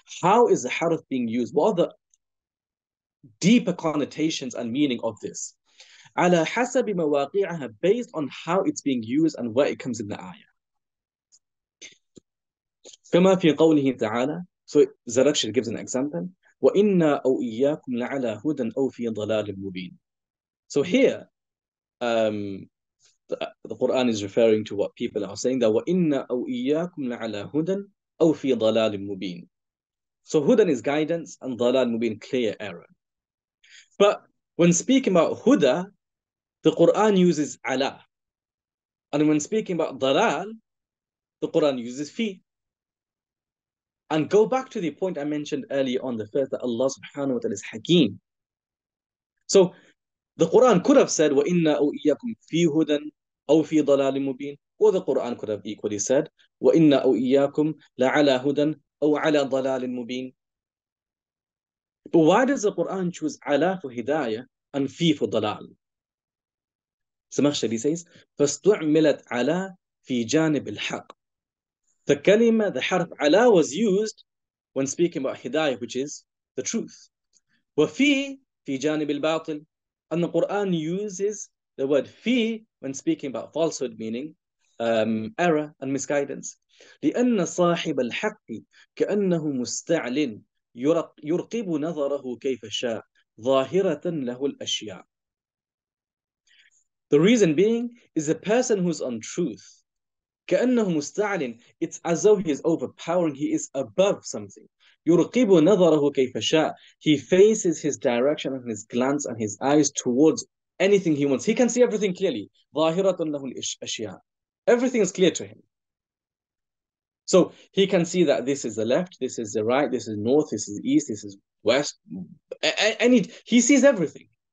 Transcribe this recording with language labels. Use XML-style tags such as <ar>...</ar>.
<en>How is the harf being used? What are the deeper connotations and meaning of this?</en> <ar>عَلَى حَسَبِ مَوَاقِعَهَا</ar> <en>Based on how it's being used and where it comes in the ayah.</en> <ar>كَمَا فِي قَوْلِهِ تَعَالَى</ar> <en>So Zarakshir gives an example.</en> <ar>وَإِنَّا أَوْ إِيَّاكُمْ لَعَلَى هُدًا أَوْ فِي ضَلَالٍ مُبِينٍ</ar> <en>So here, the Quran is referring to what people are saying that</en> <ar>وَإِنَّ أَوْ إِيَّاكُمْ لَعَلَى هُدًا أَوْ فِي ضَلَالٍ مُبِينٍ So هُدًا</ar> <en>is guidance and</en> <ar>ضَلَال مُبِينٍ</ar> <en>clear error. But when speaking about هُدَى, the Quran uses عَلَى. And when speaking about ضَلَال, the Quran uses فِي. And go back to the point I mentioned earlier on the first that Allah subhanahu wa ta'ala is Hakeem. So the Quran could have said</en> <ar>وَإِنَّ أَوْ إِيَّاكُمْ فِي هُدًا أو في ضلال مبين</ar> <en>or the Quran could have equally said</en> <ar>وَإِنَّ أَوْ إِيَّاكُمْ لَعَلَى هُدًا أَوْ عَلَى ضَلَالٍ مُبِينٍ</ar> <en>But why does the Quran choose عَلَى for هداية and في for ضلال? Samakhshari says</en> <ar>فَاسْتُعْمِلَتْ عَلَى فِي جَانِبِ الْحَقِّ</ar> <en>The kalima, the harf عَلَى was used when speaking about هداية which is the truth</en> <ar>وَفِي فِي جَانِبِ الْبَاطِلِ</ar> <en>And the Quran uses the word في when speaking about falsehood, meaning error and misguidance.</en> <ar>لِأَنَّ صَاحِبَ الْحَقِّ كَأَنَّهُ مُسْتَعْلٍ يُرْقِبُ نَظَرَهُ كَيْفَ شَاءَ ظَاهِرَةً لَهُ الْأَشْيَاءَ</ar> <en>The reason being is the person who's on truth.</en> <ar>كَأَنَّهُ مُسْتَعْلٍ</ar> <en>It's as though he is overpowering, he is above something.</en> <ar>يُرْقِبُ نَظَرَهُ كَيْفَ شَاءَ</ar> <en>He faces his direction and his glance and his eyes towards anything he wants. He can see everything clearly.</en> <ar>ظَاهِرَةٌ لَهُ الْأَشْيَاءُ</ar> <en>Everything is clear to him. So he can see that this is the left, this is the right, this is north, this is east, this is west. He sees everything.</en>